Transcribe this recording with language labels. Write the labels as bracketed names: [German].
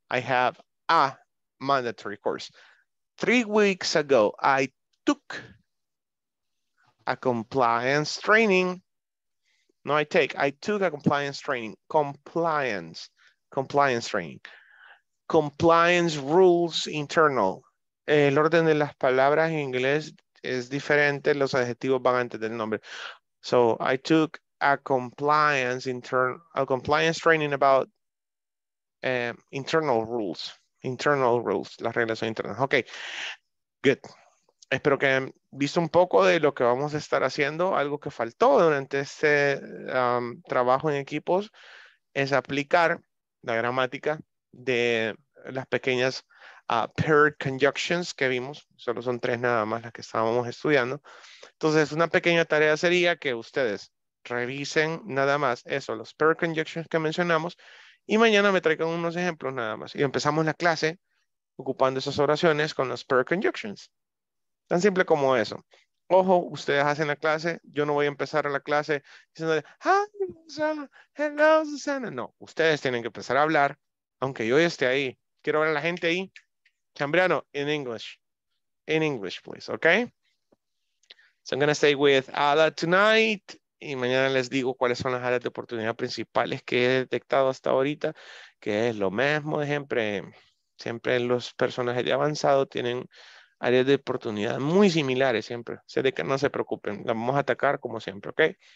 [English] I have a mandatory course. 3 weeks ago, I took a compliance training. No, I take. I took a compliance training. Compliance training. Compliance rules internal. [Spanish] El orden de las palabras en inglés es diferente. Los adjetivos van antes del nombre. [English] So I took a compliance training about internal rules. Internal rules, [Spanish] las reglas son internas. [English] Ok, good. [Spanish] Espero que hayan visto un poco de lo que vamos a estar haciendo. Algo que faltó durante este trabajo en equipos es aplicar la gramática de las pequeñas paired conjunctions que vimos. Solo son 3 nada más las que estábamos estudiando. Entonces, una pequeña tarea sería que ustedes revisen nada más eso, los paired conjunctions que mencionamos. Y mañana me traigan unos ejemplos nada más. Y empezamos la clase ocupando esas oraciones con las paired conjunctions. Tan simple como eso. Ojo, ustedes hacen la clase. Yo no voy a empezar la clase diciendo, [English] hi, [Spanish] Susana. [English] Hello, [Spanish] Susana. No, ustedes tienen que empezar a hablar. Aunque yo esté ahí. Quiero ver a la gente ahí. [English] Cambriano, in English. In English, please, okay? So I'm going to stay with Ada tonight. [Spanish] Y mañana les digo cuáles son las áreas de oportunidad principales que he detectado hasta ahorita, que es lo mismo de siempre. Siempre los personajes de avanzado tienen áreas de oportunidad muy similares siempre. Sé de que no se preocupen, la vamos a atacar como siempre, ¿ok?